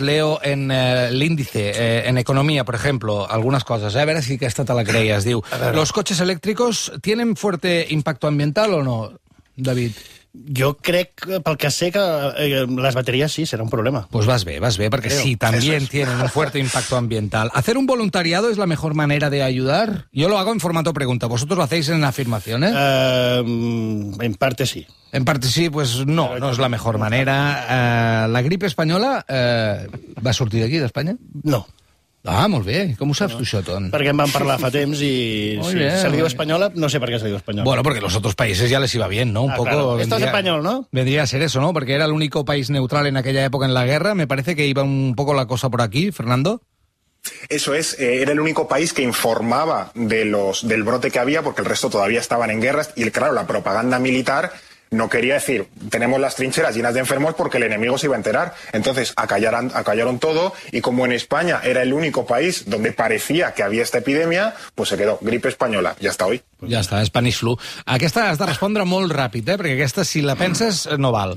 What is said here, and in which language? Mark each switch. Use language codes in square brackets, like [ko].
[ca] Leo en l'índice, en economia, per exemple, algunes coses. A veure si aquesta te la creies. [es] Diu, ¿los coches eléctricos tienen fuerte impacto ambiental o no, David? [ca] Jo crec, pel que sé, que les bateries sí, serà un problema. [es] Pues [ca] vas bé, perquè sí, també [es] tienen un fuerte impacto ambiental. ¿Hacer un voluntariado es la mejor manera de ayudar? Yo lo hago en formato pregunta. ¿Vosotros lo hacéis en afirmación, eh? En parte sí. En parte sí, pues no, no es la mejor manera. [ca] La gripe española va a sortir d'aquí, d'Espanya? No. Ah, molt bé. Com ho saps, no, tu, això, Ton? Perquè en vam parlar fa temps i sí, bien, se li diu espanyola, no sé per què se li diu espanyola. [es] Bueno, perquè los otros países ya les iba bien, ¿no? Un poco... Claro. Vendría... Esto es español, ¿no? Vendría a ser eso, ¿no? Porque era el único país neutral en aquella época en la guerra. Me parece que iba un poco la cosa por aquí, Fernando. Eso es, era el único país que informaba del brote que había, porque el resto todavía estaban en guerras. Y claro, la propaganda militar... No quería decir, tenemos las trincheras llenas de enfermos porque el enemigo se iba a enterar. Entonces, acallaron todo y como en España era el único país donde parecía que había esta epidemia, pues se quedó, gripe española, ya está hoy. [ca] Ja està, [en] Spanish flu. [ca] Aquesta has de respondre molt ràpid, eh? Perquè aquesta, si la penses, no val.